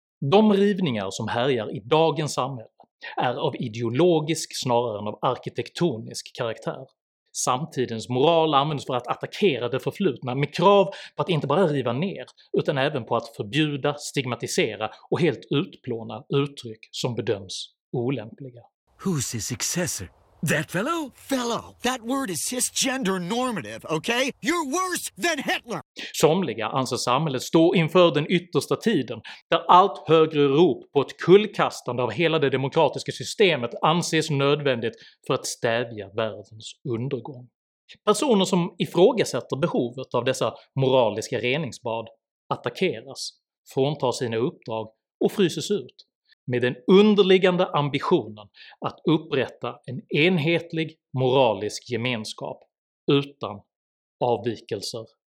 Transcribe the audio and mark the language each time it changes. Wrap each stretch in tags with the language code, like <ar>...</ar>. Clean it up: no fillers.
<sv>De rivningar som härjar i dagens samhälle är av ideologisk snarare än av arkitektonisk karaktär. Samtidens moral används för att attackera det förflutna med krav på att inte bara riva ner, utan även på att förbjuda, stigmatisera och helt utplåna uttryck som bedöms olämpliga.</sv> <en>Who's his successor? That fellow? Fellow, that word is cisgender normative, okay? You're worse than Hitler!</en> <sv>Somliga anser samhället stå inför den yttersta tiden, där allt högre rop på ett kullkastande av hela det demokratiska systemet anses nödvändigt för att stävja världens undergång. Personer som ifrågasätter behovet av dessa moraliska reningsbad attackeras, fråntas sina uppdrag och fryses ut, med den underliggande ambitionen att upprätta en enhetlig moralisk gemenskap utan avvikelser.</sv>